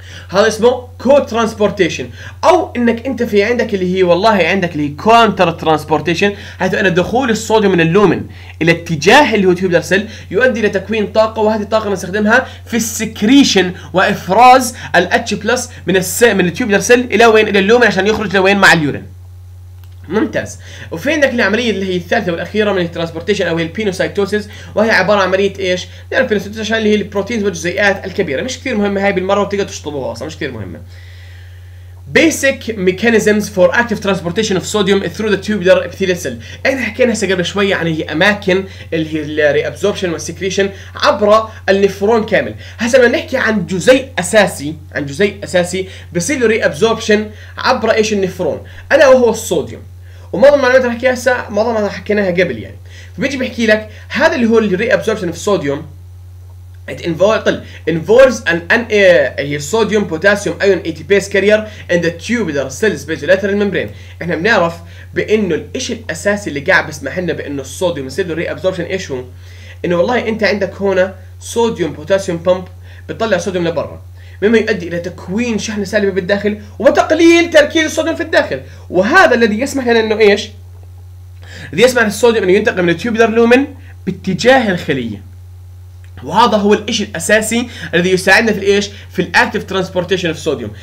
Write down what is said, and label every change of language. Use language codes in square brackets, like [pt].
[ar] هذا اسمه كو ترانسبورتيشن، او انك انت في عندك اللي هي والله عندك اللي هي كونتر ترانسبورتيشن، حيث ان دخول الصوديوم من اللومن الى اتجاه اللي هو تيوبلر سيل يؤدي الى تكوين طاقه، وهذه الطاقه نستخدمها في السكريشن وافراز الاتش بلس من من التيوبلر سيل الى وين؟ الى اللومن عشان يخرج لوين؟ مع اليورين. ممتاز. وفي عندك العمليه اللي هي الثالثه والاخيره من الترانسبورتيشن او هي البينوسايتوسيس، وهي عباره عن عمليه ايش؟ نعرف البينوسايتوسيس عشان اللي هي البروتينز والجزيئات الكبيره، مش كثير مهمه هاي بالمره وتقدر تشطبوها اصلا، مش كثير مهمه. [en] Basic mechanisms for active transportation of sodium through the tubular epithelial cell. [ar] احنا حكينا هسه قبل شوي عن هي اماكن اللي هي الريابسوربشن والسكريشن عبر النفرون كامل. هسه لما نحكي عن جزيء اساسي، عن جزيء اساسي بصير له ريابسوربشن عبر ايش؟ النفرون، انا وهو الصوديوم. ومعظم المعلومات اللي حكيها هسه معظم ما حكيناها قبل يعني. فبيجي بحكي لك هذا اللي هو الريابسوربشن في الصوديوم [en] it involves an sodium potassium ion ATPase carrier in the tubular cells basolateral membrane. [ar] احنا بنعرف بانه الاشي الاساسي اللي قاعد بسمح لنا بانه الصوديوم يصير له reabsorption ايش هو؟ انه والله انت عندك هنا [en] sodium potassium pump [ar] بتطلع صوديوم لبرا، مما يؤدي الى تكوين شحنة سالبة بالداخل وتقليل تركيز الصوديوم في الداخل، وهذا الذي يسمح لنا انه ايش؟ الذي يسمح للصوديوم انه ينتقل من التيوبلر لومن باتجاه الخلية، وهذا هو الاشي الاساسي الذي يساعدنا في الايش؟ في الاكتف ترانسبورتيشن اوف صوديوم.